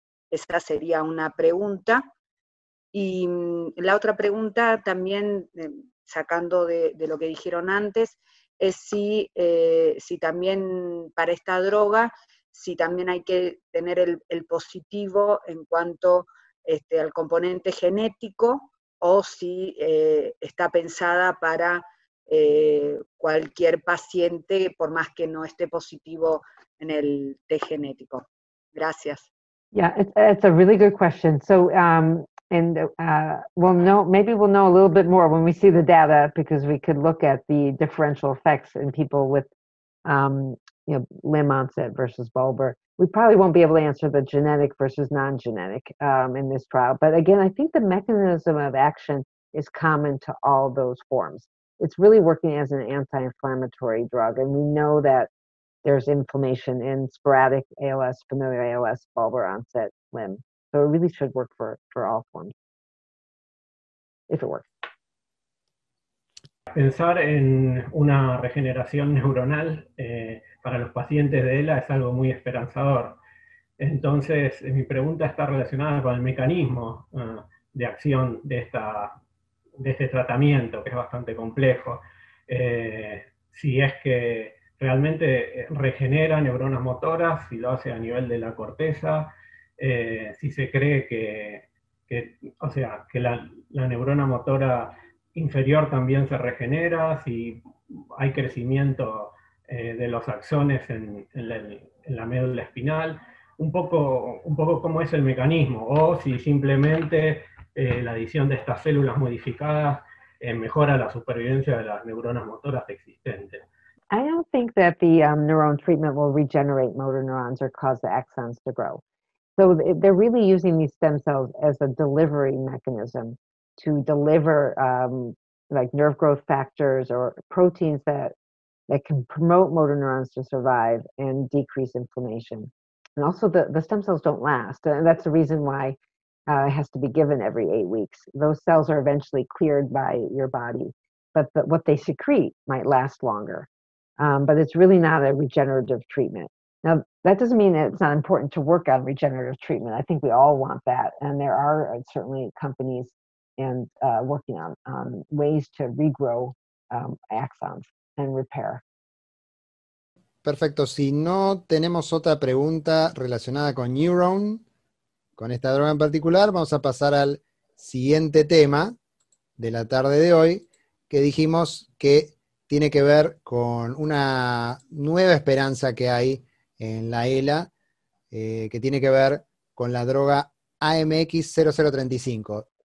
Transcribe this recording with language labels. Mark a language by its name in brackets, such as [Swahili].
[Spanish] Esa sería una pregunta. Y la otra pregunta también, sacando de lo que dijeron antes, es si también para esta droga, si también hay que tener el positivo en cuanto al componente genético, o si está pensada para cualquier paciente, por más que no esté positivo en el test genético. Gracias. [English] Yeah, it's a really good question. So, we'll know, maybe we'll know a little bit more when we see the data, because we could look at the differential effects in people with limb onset versus bulbar. We probably won't be able to answer the genetic versus non-genetic in this trial. But again, I think the mechanism of action is common to all those forms. It's really working as an anti-inflammatory drug. And we know that there's inflammation in sporadic ALS, familial ALS, bulbar onset, limb. So it really should work for all forms, if it works. [Spanish] Pensar en una regeneración neuronal para los pacientes de ELA es algo muy esperanzador. Entonces, mi pregunta está relacionada con el mecanismo de acción de este tratamiento, que es bastante complejo. Si es que realmente regenera neuronas motoras, si lo hace a nivel de la corteza, si se cree que la neurona motora inferior también se regenera, si hay crecimiento de los axones en la médula espinal, un poco cómo es el mecanismo, o si simplemente la adición de estas células modificadas mejora la supervivencia de las neuronas motoras existentes. [English] I don't think that the neuron treatment will regenerate motor neurons or cause the axons to grow. So they're really using these stem cells as a delivery mechanism to deliver like nerve growth factors or proteins that can promote motor neurons to survive and decrease inflammation. And also the stem cells don't last. And that's the reason why it has to be given every 8 weeks. Those cells are eventually cleared by your body, but what they secrete might last longer. But it's really not a regenerative treatment. Now, that doesn't mean that it's not important to work on regenerative treatment. I think we all want that. And there are certainly companies and working on ways to regrow axons and repair. [Spanish] Perfecto. Si no tenemos otra pregunta relacionada con Neuron, con esta droga en particular, vamos a pasar al siguiente tema de la tarde de hoy, que dijimos que tiene que ver con una nueva esperanza que hay en la ELA, que tiene que ver con la droga AMX0035.